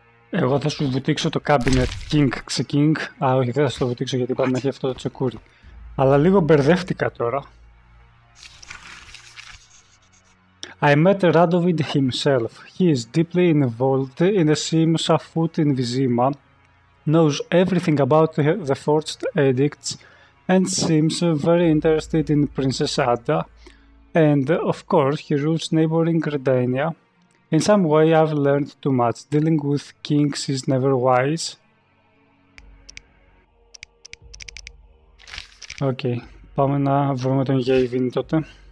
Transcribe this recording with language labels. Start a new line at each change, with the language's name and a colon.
Greek: Εγώ θα σου βουτήξω το cabinet King Xeking. Α, όχι, δεν θα σου το βουτήξω γιατί είπαμε έχει αυτό το τσεκούρι. Αλλά λίγο μπερδεύτηκα τώρα.
English: I met Radovid himself. He is deeply involved in the seams afoot in Vizima, knows everything about the forged edicts, and seems very interested in Princess Ada. And of course, he rules neighboring Redania. In some way, I've learned too much. Dealing with kings is never wise.
Greek: Okay, πάμε να βρούμε τον Γεϊβίν τότε.